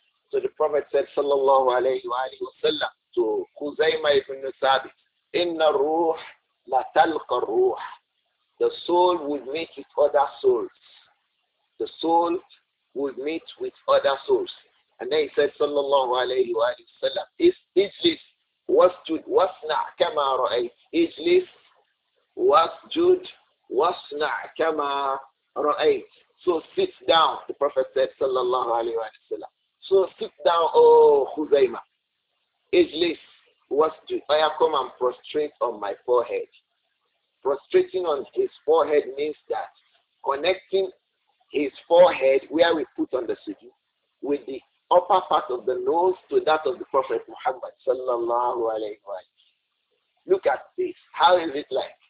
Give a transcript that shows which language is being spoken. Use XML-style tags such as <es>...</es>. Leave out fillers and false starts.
<en>So the Prophet said, sallallahu alayhi wa sallam, to Khuzaima ibn Thabit, inna ruh</en> <ar>لتلقى الروح.</ar> <en>The soul would meet with other souls. The soul would meet with other souls. And then he said,</en> <ar>صلى الله عليه وآله وسلم, اجلس واسجد واصنع كما رأيت. اجلس واسجد واصنع كما رأيت.</ar> <en>So sit down, the Prophet said,</en> <ar>صلى الله عليه وآله وسلم.</ar> <en>So sit down, oh Khuzaima.</en> <ar>اجلس واسجد.</ar> <en>I have come and prostrate on my forehead. Prostrating on his forehead means that connecting his forehead, where we put on the sujood, with the upper part of the nose to that of the Prophet Muhammad sallallahu alayhi wa sallam. Look at this. How is it like?</en>